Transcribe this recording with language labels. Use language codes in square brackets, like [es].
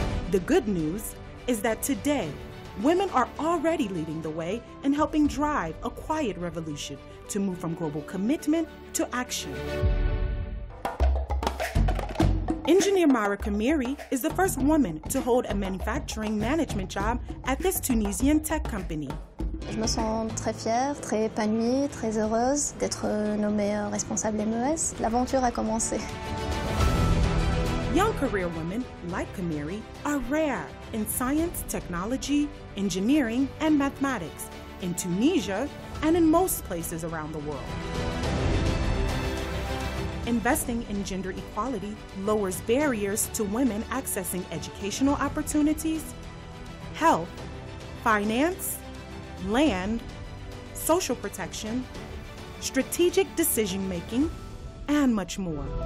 [en] The good news is that today, women are already leading the way and helping drive a quiet revolution to move from global commitment to action. Engineer Mara Kamiri is the first woman to hold a manufacturing management job at this Tunisian tech company. [fr] Je me sens très fière, très épanouie, très heureuse d'être nommée responsable MES. L'aventure a commencé. [en] Young career women like Kamiri are rare in science, technology, engineering, and mathematics in Tunisia and in most places around the world. Investing in gender equality lowers barriers to women accessing educational opportunities, health, finance, land, social protection, strategic decision making, and much more.